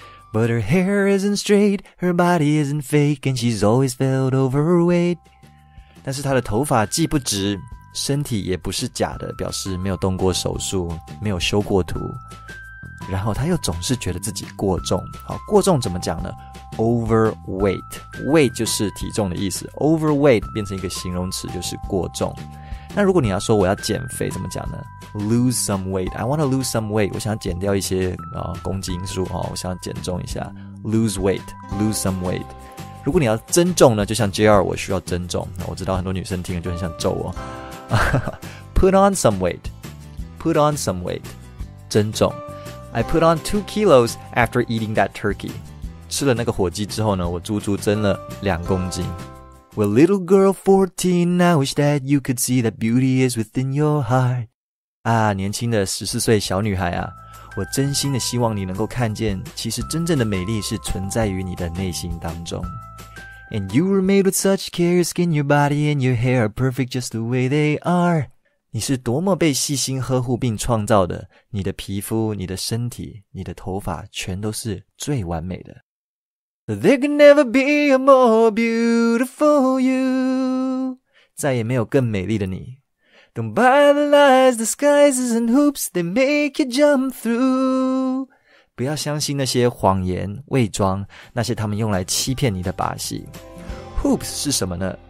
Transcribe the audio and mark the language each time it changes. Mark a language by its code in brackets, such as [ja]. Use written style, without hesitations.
[en] But her hair isn't straight, her body isn't fake, and she's always felt overweight。 [zh] 但是她的头发既不直，身体也不是假的，表示没有动过手术，没有修过图。然后她又总是觉得自己过重。好，过重怎么讲呢？Overweight， weight 就是体重的意思。 Overweight 变成一个形容词就是过重。那如果你要说我要减肥怎么讲呢？ [en] Lose some weight， I want to lose some weight， [zh] 我想减掉一些、公斤数、哦、我想减重一下。 [en] Lose weight， lose some weight。 [zh] 如果你要增重呢，就像 JR 我需要增重，我知道很多女生听了就很想揍我。 [en] Put on some weight， put on some weight， 增重。 I put on 2 kilos after eating that turkey， [zh] 吃了那个火鸡之后呢，我足足增了2公斤。 [en] Well, little girl 14, I wish that you could see that beauty is within your heart。 [zh] 啊，年轻的14岁小女孩啊，我真心的希望你能够看见，其实真正的美丽是存在于你的内心当中。 [en] And you were made with such care, your skin, your body and your hair are perfect just the way they are。 [zh] 你是多么被细心呵护并创造的，你的皮肤，你的身体，你的头发，全都是最完美的。 [en] There could never be a more beautiful you， [zh] 再也没有更美丽的你。 [en] Don't buy the lies, disguises and hoops they make you jump through， [zh] 不要相信那些谎言伪装，那些他们用来欺骗你的把戏。Hoops 是什么呢？